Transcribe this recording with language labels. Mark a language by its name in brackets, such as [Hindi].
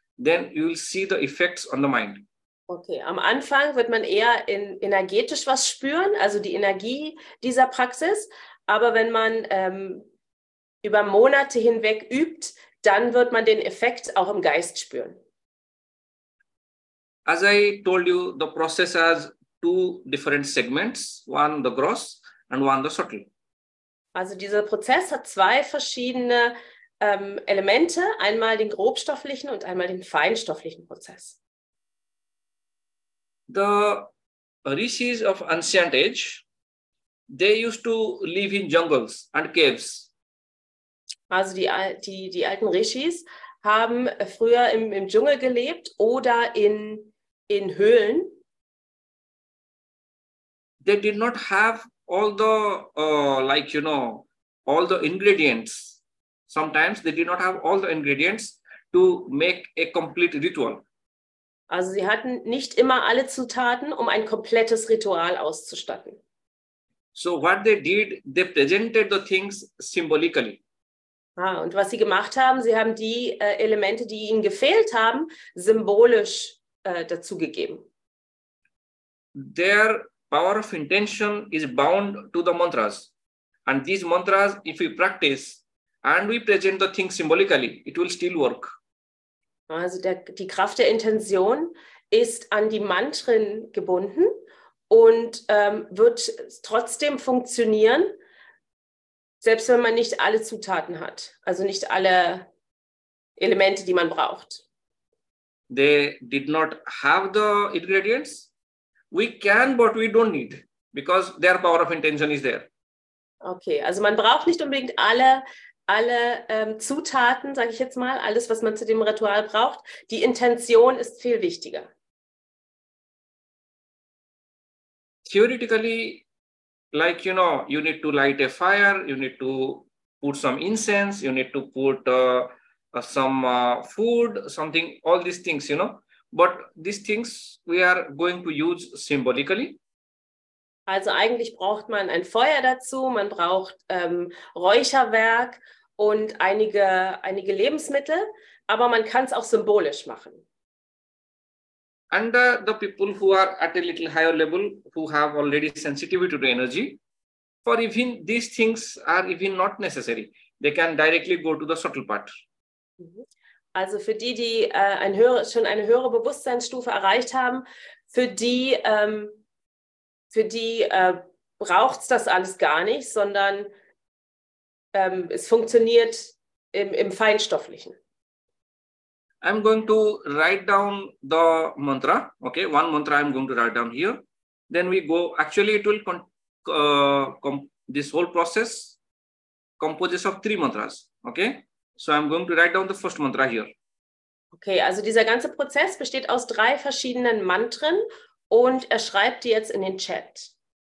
[English] Then you will see the effects on the mind. [German] Okay, am Anfang wird man eher energetisch was spüren, also die Energie dieser Praxis. Aber wenn man über Monate hinweg übt, dann wird man den Effekt auch im Geist spüren. [English] As I told you, the process has two different segments, one the gross and one the subtle. [German] Also dieser Prozess hat zwei verschiedene Elemente, einmal den grobstofflichen und einmal den feinstofflichen Prozess. [English] The rishis of ancient age, they used to live in jungles and caves. [German] Also die alten Rishis haben früher im Dschungel gelebt oder in Höhlen. [English] They did not have all the all the ingredients. Sometimes they did not have all the ingredients to make a complete ritual. [German] Also sie hatten nicht immer alle Zutaten, um ein komplettes Ritual auszustatten. [English] So what they did, they presented the things symbolically. [German] Ah, und was sie gemacht haben, sie haben die Elemente, die ihnen gefehlt haben, symbolisch dazugegeben. [English] Their power of intention is bound to the mantras. And these mantras, if we practice, and we present the thing symbolically, it will still work. [German] Also die Kraft der Intention ist an die Mantren gebunden und wird trotzdem funktionieren, selbst wenn man nicht alle Zutaten hat, also nicht alle Elemente, die man braucht. [English] They did not have the ingredients. We can, but we don't need, because their power of intention is there. [German] Okay, also man braucht nicht unbedingt alle Zutaten, sage ich jetzt mal, alles, was man zu dem Ritual braucht. Die Intention ist viel wichtiger. [English] Theoretically, like, you know, you need to light a fire, you need to put some incense, you need to put food, something, all these things, you know. But these things we are going to use symbolically. [German] Also eigentlich braucht man ein Feuer dazu, man braucht Räucherwerk und einige Lebensmittel, aber man kann es auch symbolisch machen. [English] And the people who are at a little higher level, who have already sensitivity to the energy, for even these things are even not necessary. They can directly go to the subtle part. [German] Also für die, die eine höhere Bewusstseinsstufe erreicht haben, braucht es das alles gar nicht, sondern es funktioniert im Feinstofflichen. [English] I'm going to write down the mantra. Okay, one mantra I'm going to write down here. Then we go. Actually, it will this whole process composes of three mantras. Okay, so I'm going to write down the first mantra here. [German] Okay, also dieser ganze Prozess besteht aus drei verschiedenen Mantren. Und er schreibt die jetzt in den Chat.